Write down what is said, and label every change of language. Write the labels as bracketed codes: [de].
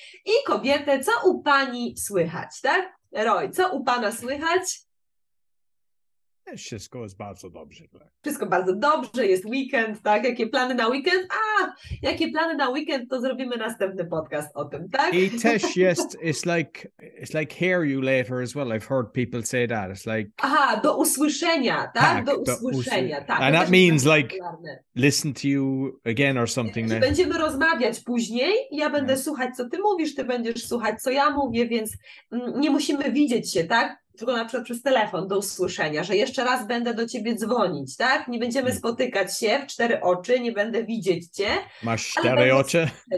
[pl] I kobietę, co u pani słychać, tak? Roy, co u pana słychać? Wszystko jest bardzo dobrze. Wszystko bardzo dobrze, jest weekend, tak? Jakie plany na weekend? A, jakie plany na weekend, to zrobimy następny podcast o tym, tak? I też jest, [en] it's like hear you later as well. I've heard people say that. It's like... [pl] Aha, do usłyszenia, tak? Do usłyszenia, tak. [en] And that means like listen to you again or something. [pl] Będziemy rozmawiać później, ja będę słuchać, co ty mówisz, ty będziesz słuchać, co ja mówię, więc nie musimy widzieć się, tak? Tylko na przykład przez telefon do usłyszenia, że jeszcze raz będę do ciebie dzwonić, tak? Nie będziemy spotykać się w cztery oczy, nie będę widzieć cię. Masz cztery oczy?